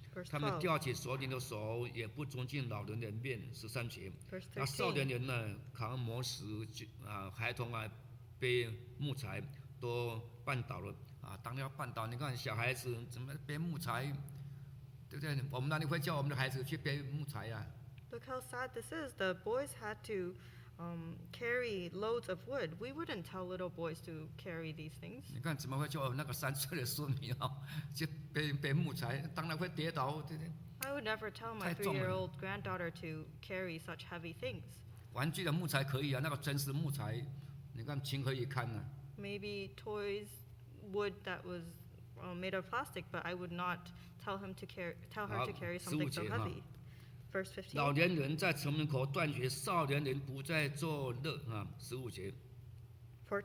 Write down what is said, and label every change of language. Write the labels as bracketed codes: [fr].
[zh] 他们吊起手里的手，也不尊敬老人的面。13节。他少年人呢，扛磨石、孩童啊，背木材，都绊倒了。当然要绊倒，你看小孩子怎么背木材，对不对？我们哪里会叫我们的孩子去背木材啊？ [en] Look how sad this is. The boys had to carry loads of wood. We wouldn't tell little boys to carry these things. [zh] 你看怎么会叫那个三岁的孙女去背木材，当然会跌倒，对不对？ [en] I would never tell my three-year-old granddaughter to carry such heavy things. [zh] 玩具的木材可以啊，那个真实木材，你看情何以堪呢？ [en] Maybe toys, wood that was made of plastic, but I would not tell him to carry something so heavy. Verse 15. [zh] 老年人在城门口断绝，少年人不再作乐啊。15节。14